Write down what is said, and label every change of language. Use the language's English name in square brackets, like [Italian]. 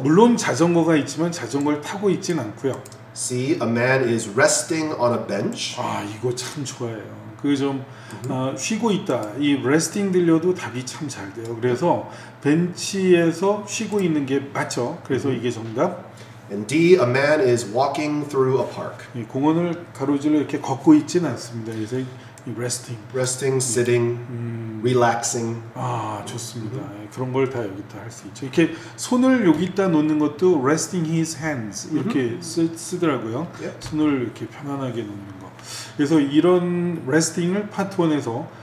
[Korean] 물론 자전거가 있지만 자전거를 타고 있진 않고요. [English] C. A man is resting on a bench. [Korean] 아 이거 참 좋아해요. 그 좀 쉬고 있다. 이 resting 들려도 답이 참 잘 돼요. 그래서 벤치에서 쉬고 있는 게 맞죠. 그래서 이게 정답. [English] And D, a man is walking through a park. [Korean] 예, 공원을 가로질러 이렇게 걷고 있진 않습니다. 그래서 이 resting. [English] Resting, sitting, relaxing. [Korean] 아, 좋습니다. 그런 걸 다 여기다 할 수 있죠. 이렇게 손을 여기다 놓는 것도 [English] resting his hands [Korean] 이렇게 쓰더라고요. [English] Yep. [Korean] 손을 이렇게 편안하게 놓는 거. 그래서 이런 resting을 파트 1에서